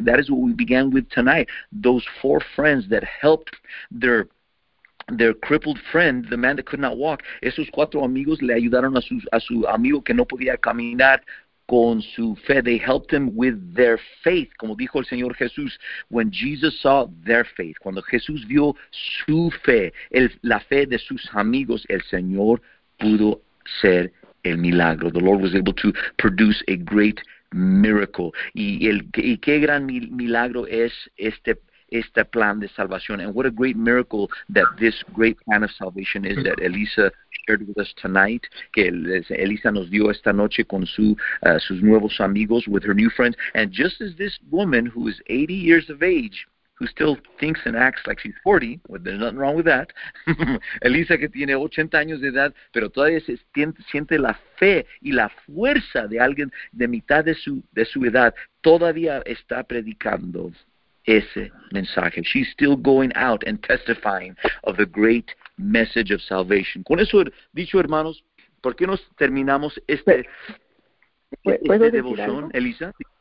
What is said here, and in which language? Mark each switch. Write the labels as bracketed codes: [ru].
[en] That is what we began with tonight. Those four friends that helped their crippled friend, the man that could not walk. [es] Esos cuatro amigos le ayudaron a su amigo que no podía caminar con su fe. [en] They helped him with their faith. [es] Como dijo el Señor Jesús, [en] when Jesus saw their faith, [es] cuando Jesús vio su fe, la fe de sus amigos, el Señor pudo ser el milagro. [en] The Lord was able to produce a great miracle. [es] Y qué gran milagro es este plan de salvación. [en] And what a great miracle that this great plan of salvation is that Elisa shared with us tonight, [es] que Elisa nos dio esta noche con sus nuevos amigos, [en] with her new friends. And just as this woman who is 80 years of age, who still thinks and acts like she's 40, well, there's nothing wrong with that. [es] Elisa, que tiene 80 años de edad, pero todavía siente la fe y la fuerza de alguien de mitad de su edad, todavía está predicando ese mensaje. [en] She's still going out and testifying of the great message of salvation. [es] Con eso dicho, hermanos, ¿por qué no terminamos esta devoción, Elisa?